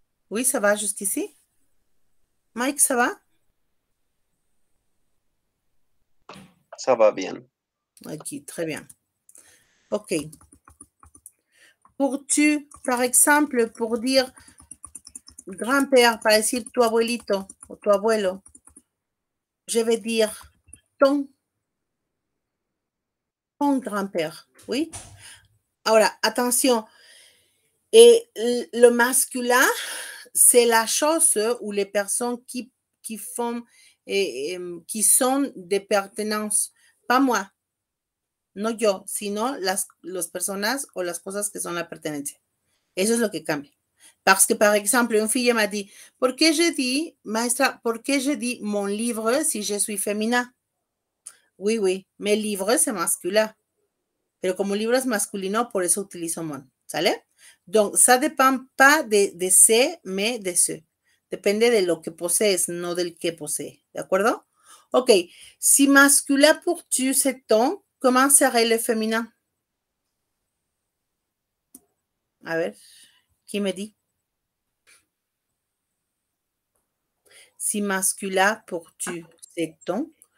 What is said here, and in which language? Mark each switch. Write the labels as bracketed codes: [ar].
[fr] Oui, ça va jusqu'ici? Mike, ça va? Ça va bien. Ok, très bien. Ok. Pour tu, par exemple, pour dire [es] Grand-père, para decir tu abuelito o tu abuelo. [fr] Je vais dire ton grand-père. Oui. Ahora, attention. Et le masculin, c'est la chose ou les personnes qui font qui sont des pertenances. Pas moi. [es] No yo, sino las personas o las cosas que son la pertenencia. Eso es lo que cambia. [fr] Parce que, par exemple, une fille m'a dit, [es] ¿por qué [fr] je dis, maestra, por qué je dis mon livre si je suis féminin? Oui, mais livre, c'est masculin. [es] Pero como libro es masculino, por eso utilizo mon, ¿sale? [fr] Donc, ça dépend pas de ce, mais de ce. [es] Depende de lo que posees, no del que posee, ¿de acuerdo? [fr] Ok, si masculin pour tu, c'est ton, ¿cómo serait le féminin? [es] A ver, ¿quién me dit? [fr] Si masculin pour tu, c'est ton.